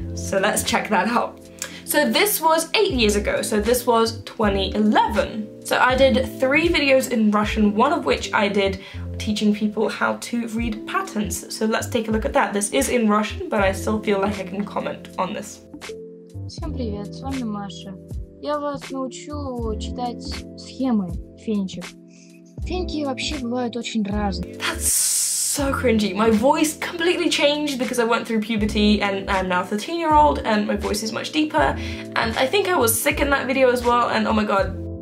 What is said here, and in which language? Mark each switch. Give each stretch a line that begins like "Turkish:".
English: So let's check that out. So this was 8 years ago, so this was 2011. So I did 3 videos in Russian, one of which I did teaching people how to read patterns. So let's take a look at that. This is in Russian, but I still feel like I can comment on this.
Russian: Всем привет, с вами Маша. Я вас научу читать схемы финичек. Финики вообще бывают очень разные.
English: That's so cringy. My voice completely changed because I went through puberty and I'm now a 13-year-old and my voice is much deeper. And I think I was sick in that video as well, and oh my god.